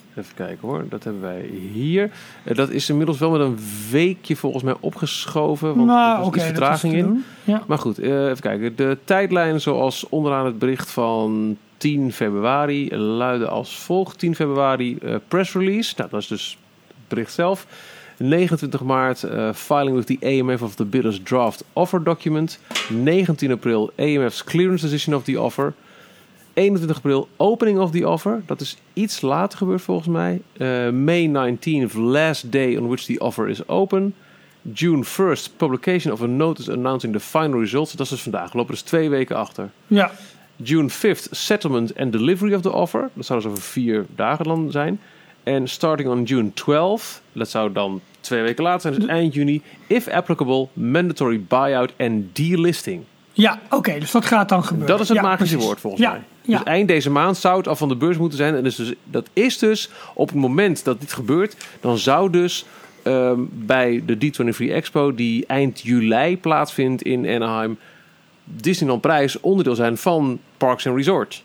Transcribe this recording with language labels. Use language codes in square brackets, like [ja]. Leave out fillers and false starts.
[nl] Even kijken hoor, dat hebben wij hier. Dat is inmiddels wel met een weekje volgens mij opgeschoven, want er was iets vertraging in. Ja. Maar goed, even kijken. De tijdlijn zoals onderaan het bericht van 10 februari luidde als volgt. 10 februari press release, nou, dat is dus het bericht zelf. 29 maart, [en] filing with the AMF of the bidder's draft offer document. 19 april, AMF's clearance decision of the offer. 21 april, opening of the offer. [nl] Dat is iets later gebeurd volgens mij. [en] May 19th, last day on which the offer is open. June 1st, publication of a notice announcing the final results. [nl] Dat is dus vandaag, we lopen dus 2 weken achter. Ja. [en] June 5th, settlement and delivery of the offer. [nl] Dat zou dus over 4 dagen dan zijn. En [en] starting on June 12th, [nl] dat zou dan 2 weken later zijn, dus eind juni, [en] if applicable, mandatory buyout [nl] en delisting. Ja, oké, dus dat gaat dan gebeuren. Dat is het magische woord volgens mij. Ja. Dus eind deze maand zou het al van de beurs moeten zijn. En dat is dus op het moment dat dit gebeurt, dan zou dus bij de D23 Expo, die eind juli plaatsvindt in Anaheim, Disneyland Parijs onderdeel zijn van Parks and Resorts.